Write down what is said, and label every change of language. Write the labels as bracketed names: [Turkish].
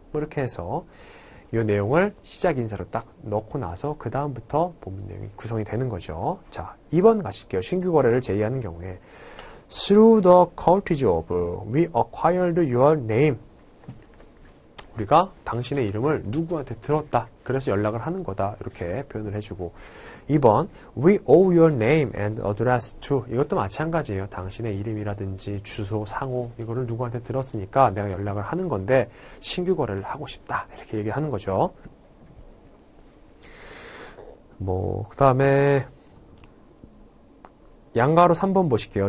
[Korean] 뭐 이렇게 해서 이 내용을 시작 인사로 딱 넣고 나서 그 다음부터 본문 내용이 구성이 되는 거죠. 자, 2번 가실게요. 신규 거래를 제의하는 경우에 [English] Through the courtesy of, we acquired your name. [Korean] 우리가 당신의 이름을 누구한테 들었다. 그래서 연락을 하는 거다. 이렇게 표현을 해주고. [English] 2번, We owe your name and address to. [Korean] 이것도 마찬가지예요. 당신의 이름이라든지 주소, 상호, 이거를 누구한테 들었으니까 내가 연락을 하는 건데, 신규 거래를 하고 싶다. 이렇게 얘기하는 거죠. 뭐, 그 다음에, 양가로 3번 보실게요.